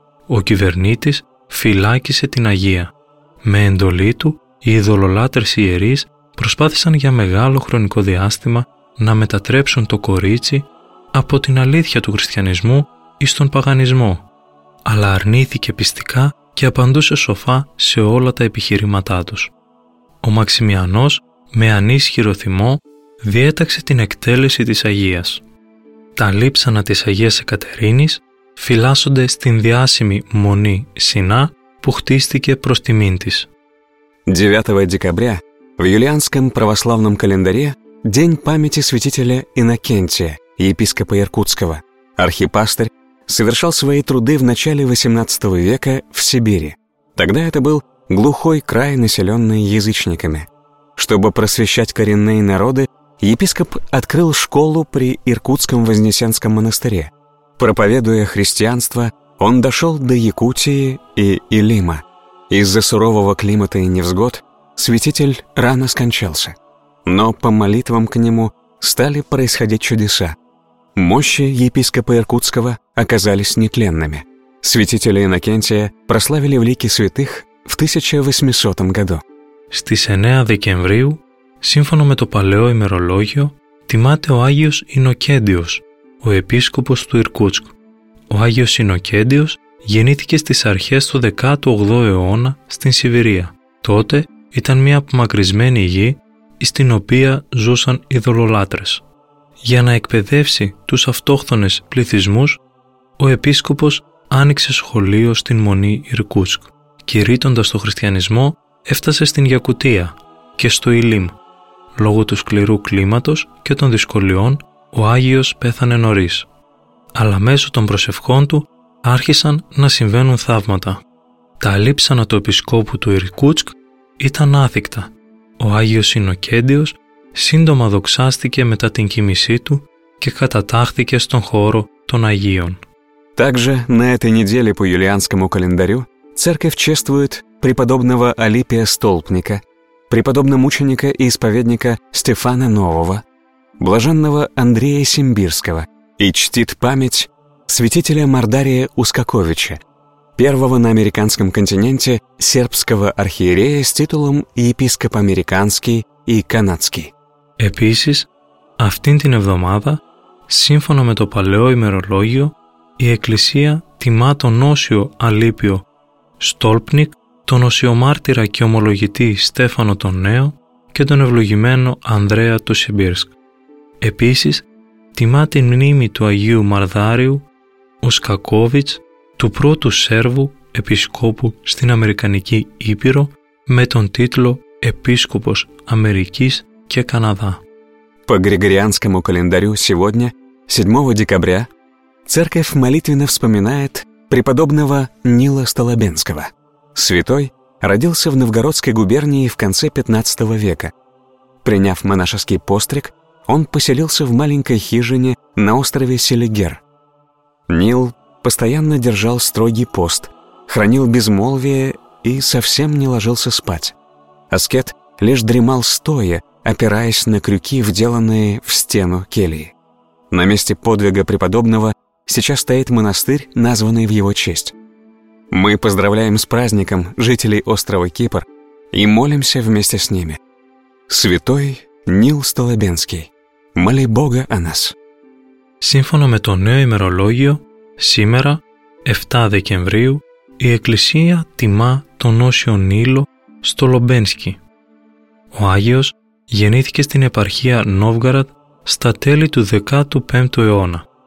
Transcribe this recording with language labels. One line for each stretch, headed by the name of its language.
Greek: Ο κυβερνήτης φυλάκισε την Αγία. Με εντολή του, οι ειδωλολάτρες ιερείς προσπάθησαν για μεγάλο χρονικό διάστημα να μετατρέψουν το κορίτσι από την αλήθεια του χριστιανισμού εις τον παγανισμό, αλλά αρνήθηκε πιστικά και απαντούσε σοφά σε όλα τα επιχειρήματά τους. Ο Μαξιμιανός, με ανίσχυρο θυμό, διέταξε την εκτέλεση της Αγίας. Τα λείψανα της Αγίας Εκατερίνης φυλάσσονται στην διάσημη Μονή Σινά που χτίστηκε προς τιμήν της.
Russian: 9 декабря в юлианском православном календаре день памяти святителя Иннокентия, епископа Иркутского. Архипастырь совершал свои труды в начале 18 века в Сибири. Тогда это был глухой край, населенный язычниками. Чтобы просвещать коренные народы, епископ открыл школу при Иркутском Вознесенском монастыре. Проповедуя христианство, он дошел до Якутии и Илима. Из-за сурового климата и невзгод святитель рано скончался. Но по молитвам к нему стали происходить чудеса. Мощи епископа Иркутского оказались нетленными. Святителя Иннокентия прославили в лике святых в 1800 году.
Greek: Στις 9 Δεκεμβρίου, σύμφωνα με το παλαιό ημερολόγιο, τιμάται ο Άγιος Ινοκέντιος, ο επίσκοπος του Ιρκούτσκ. Ο Άγιος Ινοκέντιος γεννήθηκε στις αρχές του 18ου αιώνα στην Σιβηρία. Τότε ήταν μια απομακρυσμένη γη στην οποία ζούσαν ειδωλολάτρες. Για να εκπαιδεύσει τους αυτόχθονες πληθυσμούς, ο επίσκοπος άνοιξε σχολείο στην Μονή Ιρκούτσκ. Κηρύττοντας το χριστιανισμό, έφτασε στην Γιακουτία και στο Ηλίμ. Λόγω του σκληρού κλίματος και των δυσκολιών, ο Άγιος πέθανε νωρίς. Αλλά μέσω των προσευχών του άρχισαν να συμβαίνουν θαύματα. Τα λείψανα του επισκόπου του Ιρκούτσκ ήταν άθικτα. Ο Άγιος Ινοκέντιος σύντομα δοξάστηκε μετά την κοίμησή του και κατατάχθηκε στον χώρο των Αγίων.
Russian: Также на этой неделе по юлианскому календарю церковь чествует преподобного Алипия Столпника, преподобного мученика и исповедника Стефана Нового, блаженного Андрея Симбирского и чтит память святителя Мардария Ускаковича, первого на американском континенте сербского архиерея с титулом епископ американский и канадский.
Greek: Επίσης, αυτήν την εβδομάδα, σύμφωνα με το παλαιό ημερολόγιο, η Εκκλησία τιμά τον Όσιο Αλίπιο Στόλπνικ, τον Οσιομάρτυρα και ομολογητή Στέφανο τον Νέο και τον ευλογημένο Ανδρέα του Σιμπίρσκ. Επίσης, τιμά την μνήμη του Αγίου Μαρδάριου Ουσκακόβιτς, του πρώτου Σέρβου επισκόπου στην Αμερικανική Ήπειρο με τον τίτλο «Επίσκοπος Αμερικής και Καναδά».
Russian: По Григорианскому календарю сегодня, 7 декабря, церковь молитвенно вспоминает преподобного Нила Столобенского. Святой родился в Новгородской губернии в конце 15 века. Приняв монашеский постриг, он поселился в маленькой хижине на острове Селигер. Нил постоянно держал строгий пост, хранил безмолвие и совсем не ложился спать. Аскет лишь дремал стоя, опираясь на крюки, вделанные в стену кельи. На месте подвига преподобного сейчас стоит монастырь, названный в его честь. Мы поздравляем с праздником жителей острова Кипр и молимся вместе с ними. Святой Нил Столобенский, моли Бога о нас.
Greek: Σύμφωνα με το νέο ημερολόγιο, σήμερα, 7 Δεκεμβρίου, η Εκκλησία τιμά τον Όσιο Νίλο Στολομπένσκι. Ο Άγιος γεννήθηκε στην επαρχία Νόβγαραντ στα τέλη του 15ου αιώνα.